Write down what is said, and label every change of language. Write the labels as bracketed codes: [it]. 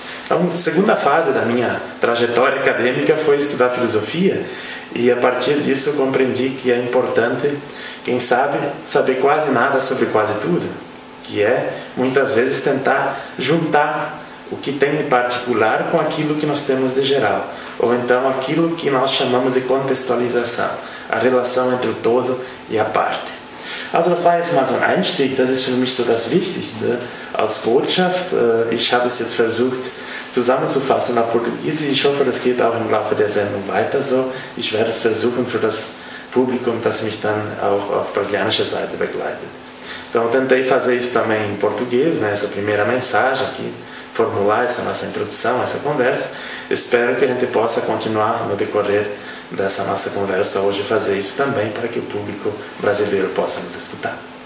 [pt] Então, a segunda fase da minha trajetória acadêmica foi estudar filosofia e, a partir disso, eu compreendi que é importante, quem sabe, saber quase nada sobre quase tudo, que é, muitas vezes, tentar juntar o que tem de particular com aquilo que nós temos de geral, ou então aquilo que nós chamamos de contextualização, a relação entre o todo e a parte. [de] Also, das war jetzt mal so ein Einstieg, das ist für mich so das Wichtigste als Botschaft. Ich habe es jetzt versucht zusammenzufassen auf Portugiesisch. Ich hoffe, das geht auch im Laufe der Sendung weiter so. Ich werde es versuchen für das Publikum, das mich dann auch auf brasilianischer Seite begleitet. [pt] Então, tentei fazer isso também em português, né? Essa primeira mensagem aqui, formular essa nossa introdução, essa conversa. Espero que a gente possa continuar no decorrer dessa nossa conversa hoje, fazer isso também para que o público brasileiro possa nos escutar.